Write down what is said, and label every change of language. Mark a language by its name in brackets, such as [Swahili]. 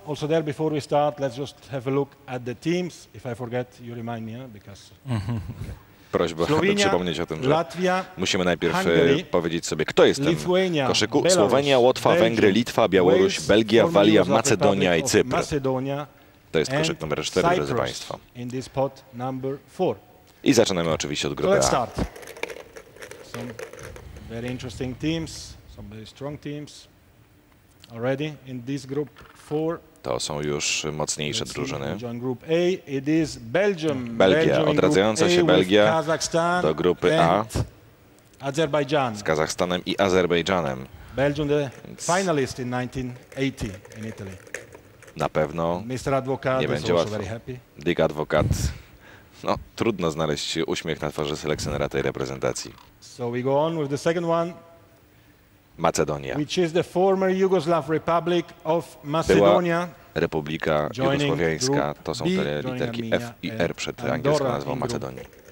[English] Also there before we start, let's just have a look at the teams. If I forget, you remind me, because. [Polish] Prośba, aby przypomnieć o tym, że Latwia, musimy najpierw powiedzieć sobie, kto jest w koszyku. Belarus, Słowenia, Łotwa, Belgium, Węgry, Litwa, Białoruś, Wales, Belgia, Walia, Macedonia i Cypr. To jest koszyk numer 4, drodzy Państwo. [English] In this pot number four. [Polish] I zaczynamy oczywiście od grupy A. [English] Let's start. Some very interesting teams, some very strong teams already in this group four. [Polish] To są już mocniejsze drużyny. Belgia, odradzająca się Belgia do grupy A z Kazachstanem i Azerbejdżanem. [English] Belgium the finalist in 1980 in Italy. [Polish] Na pewno nie będzie łatwo. Dick Advocat, no trudno znaleźć uśmiech na twarzy selekcjonera tej reprezentacji. [English] So we go on with the second one. Macedonia. Which is the former Yugoslav Republic of Macedonia. [Polish] Była Republika Jugosłowiańska. To są te literki F i R przed angielską nazwą Macedonii.